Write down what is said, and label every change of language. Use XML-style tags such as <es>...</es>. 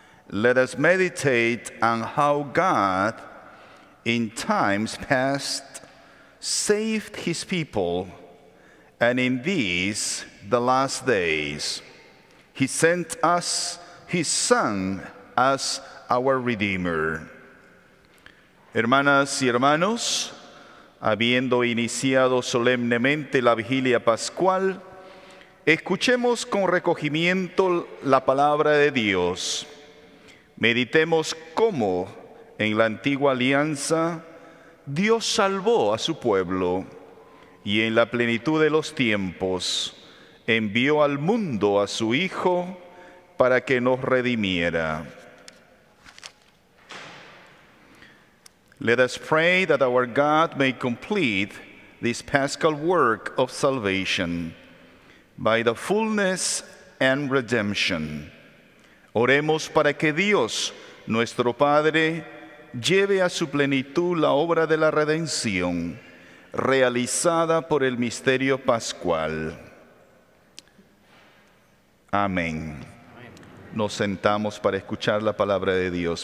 <en>Let us meditate on how God, in times past, saved his people, and in these, the last days, he sent us his Son as our Redeemer.</en> <es>Hermanas y hermanos, habiendo iniciado solemnemente la vigilia pascual, escuchemos con recogimiento la palabra de Dios. Meditemos cómo, en la antigua alianza, Dios salvó a su pueblo y en la plenitud de los tiempos, envió al mundo a su Hijo para que nos redimiera. Let us pray that our God may complete this paschal work of salvation by the fullness and redemption. Oremos para que Dios, nuestro Padre, lleve a su plenitud la obra de la redención realizada por el misterio pascual. Amén. Nos sentamos para escuchar la palabra de Dios.</es>